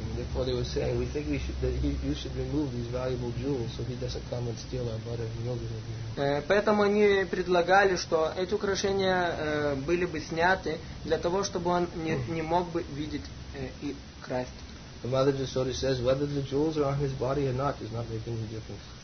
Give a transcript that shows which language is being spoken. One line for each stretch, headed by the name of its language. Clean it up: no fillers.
English: Therefore, they were saying, we think you should remove these valuable jewels so he doesn't come and steal our butter and yogurt.
Russian: Поэтому они предлагали, что эти украшения были бы сняты для того, чтобы он не мог бы видеть и красть.
English: The Mother Jasoda says, whether the jewels are on his body or not is not making any difference.